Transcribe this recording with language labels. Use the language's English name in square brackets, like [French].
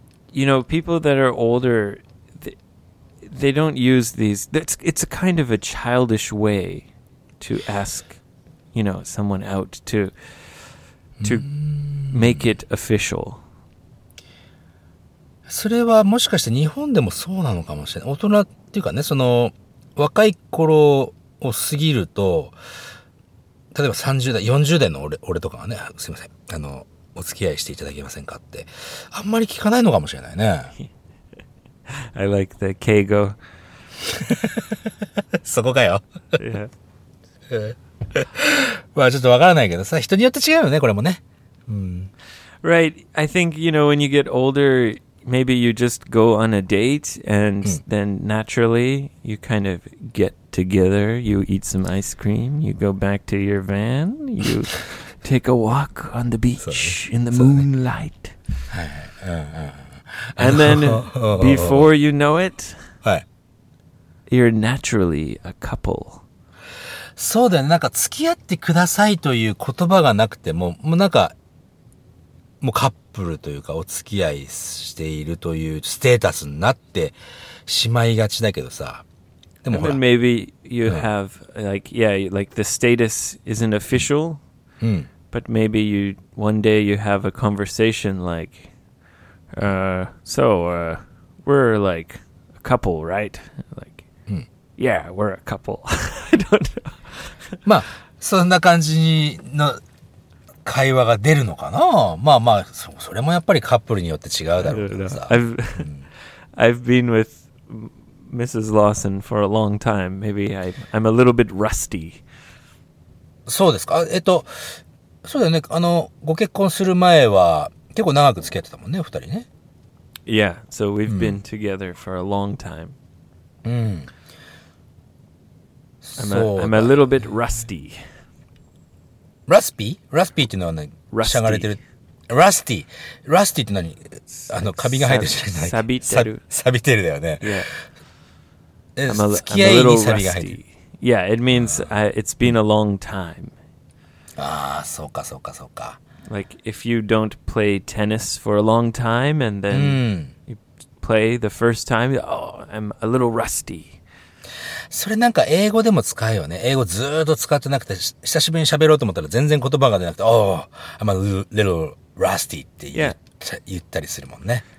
[English] You know, people that are older, they don't use these. It's a kind of a childish way to ask, you know, someone out to make it official. [Japanese] それはもしかして日本でもそうなのかもしれない。大人っていうかね、その若い頃を過ぎると例えば30代40代の 俺とかはね、すいません、あのお付き合いしていただけませんかってあんまり聞かないのかもしれないね。 [English] I like the 敬語。 [Japanese] そこかよ。 [English] <Yeah. [Japanese] 笑>まあちょっとわからないけどさ、人によって違うよねこれもね、うん、 [English] Right, I think, you know, when you get older, maybe you just go on a date and、うん、then naturally you kind of getTogether, you eat some ice cream, you go back to your van, you take a walk on the beach in the moonlight. And then before you know it, you're naturally a couple. [Japanese] そうだね、なんか付き合ってくださいという言葉がなくても、もうなんか、もうカップルというかお付き合いしているというステータスになってしまいがちだけどさ。 [English] And then maybe you have, like, yeah, like the status isn't official, but maybe you, one day you have a conversation like, we're like a couple, right? Like, yeah, we're a couple. I don't know. [Japanese] まあ、そんな感じの会話が出るのかな。まあまあ、それもやっぱりカップルによって違うだろうけどさ。 [English] I've been with Mrs. Lawson for a long time. Maybe I'm a little bit rusty. [Japanese] そうですか。そうだよね。あの、ご結婚する前は結構長く付き合ってたもんね、二人ね。 [English] Yeah, so we've been together for a long time. I'm a little bit rusty. Rusty? [Japanese] Rusty っていうのはね、しゃがれてる。 Rusty? Rusty って何？あの、カビが生えてるじゃない。 錆びてるだよね。 [English] Yeah. I'm a little rusty. Yeah, it means it's been a long time. [Japanese] Ah, そうかそうかそうか。 [English] Like, if you don't play tennis for a long time and then you play the first time, oh, I'm a little rusty. [Japanese] それなんか英語でも使うよね。英語ずっと使ってなくて、久しぶりに喋ろうと思ったら全然言葉が出なくて、 [English] oh, I'm a little rusty [Japanese] って言ったりするもんね。